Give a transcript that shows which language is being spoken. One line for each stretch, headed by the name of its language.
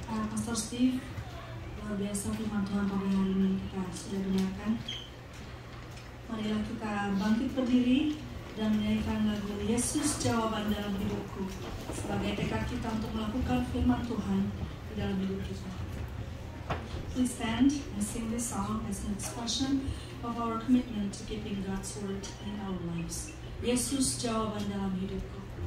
Indonesian: Pastor Steve, luar biasa firman Tuhan pada hari ini kita sudah dengarkan. Marilah kita bangkit berdiri dan menyanyikan lagu Yesus Jawaban dalam hidupku sebagai tekad kita untuk melakukan firman Tuhan di dalam hidup kita.
English: Please stand and sing this song as an expression of our commitment to keeping God's word in our lives.
Indonesian: Yesus Jawaban dalam hidupku.